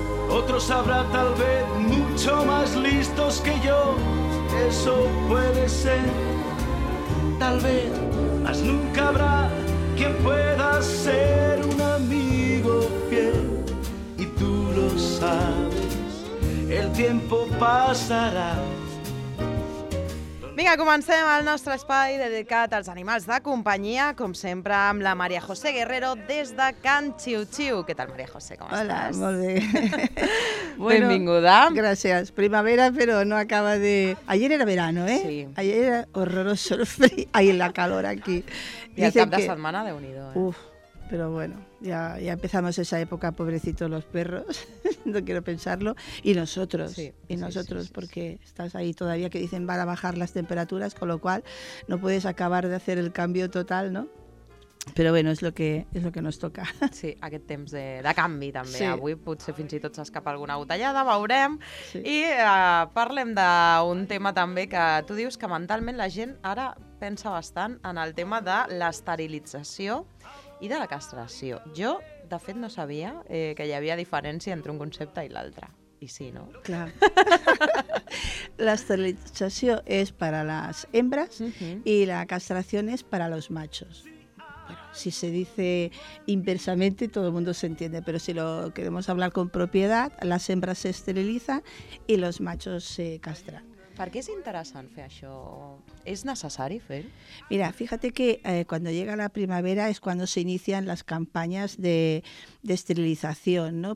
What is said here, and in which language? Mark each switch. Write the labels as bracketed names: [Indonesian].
[Spanish] Otros habrá tal vez mucho más listos que yo, eso puede ser, tal vez, mas nunca habrá quien pueda ser un amigo fiel. Y tú lo sabes, el tiempo pasará. [Catalan] Vinga, comencem el nostre espai dedicat als animals de companyia, com sempre, amb la Maria José Guerrero des de Can Chiu Chiu. Què tal, Maria José? Com Hola, estàs? Molt bé. Bueno, benvinguda. Gràcies. Primavera, però no acaba de... [Spanish] Ayer era verano, eh? [Catalan] Sí. [Spanish] Ayer era horroroso el frío. Ay, la calor aquí. [Catalan] I el cap de setmana, déu-n'hi-do. Eh? [Spanish] Uf, [Catalan] però bueno, ja [Spanish] empezamos esa época, pobrecitos los perros, no quiero pensarlo, y nosotros, sí, y nosotros, sí, porque estás ahí todavía que dicen van a bajar las temperaturas, con lo cual no puedes acabar de hacer el cambio total, ¿no? Però bueno, és lo que nos toca. [Catalan] Sí, aquest temps de canvi també. Sí. Avui potser fins i tot s'escapa alguna gotellada, veurem. Sí. I parlem d'un tema també que tu dius que mentalment la gent ara pensa bastant en el tema de l'esterilització i de la castració. Jo, de fet, no sabia que hi havia diferència entre un concepte i l'altre. I sí, no? Clar. L'esterilització és per a les hembres i la castració és per als machos. [Spanish] Si se dice inversamente, todo el mundo se entiende, pero si lo queremos hablar con propiedad, las hembras se esterilizan y los machos se castran. ¿Por qué es interesante [Catalan] fer això? [Spanish] ¿Es necesario fer? Mira, fíjate que cuando llega la primavera es cuando se inician las campañas de esterilización, ¿no?